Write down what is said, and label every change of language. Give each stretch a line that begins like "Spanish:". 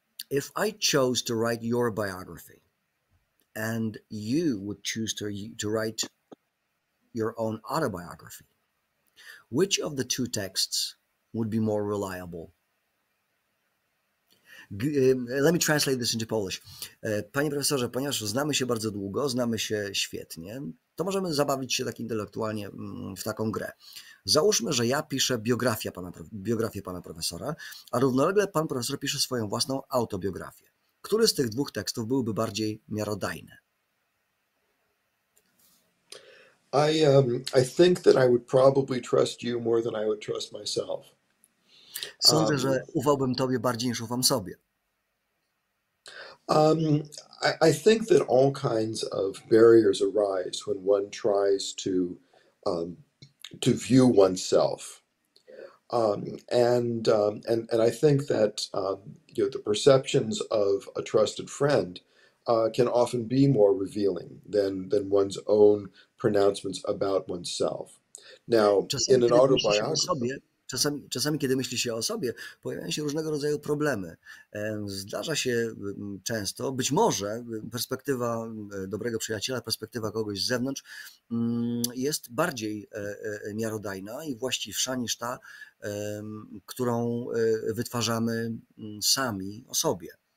English: If I chose to write your biography and you would choose to write your own autobiography, which of the two texts would be more reliable? Let me translate this into Polish.
Polish: Panie profesorze, ponieważ znamy się bardzo długo, znamy się świetnie, to możemy zabawić się tak intelektualnie w taką grę. Załóżmy, że ja piszę biografię pana profesora, a równolegle pan profesor pisze swoją własną autobiografię. Który z tych dwóch tekstów byłby bardziej miarodajny?
English: I think that I would probably trust you more than I would trust myself.
Polish: Sądzę, że ufałbym tobie bardziej niż ufam sobie.
English: I think that all kinds of barriers arise when one tries to view oneself. And I think that the perceptions of a trusted friend can often be more revealing than one's own pronouncements about oneself. Now, in an autobiography.
Polish: Czasami, kiedy myśli się o sobie, pojawiają się różnego rodzaju problemy. Zdarza się często, być może perspektywa dobrego przyjaciela, perspektywa kogoś z zewnątrz jest bardziej miarodajna i właściwsza niż ta, którą wytwarzamy sami o sobie.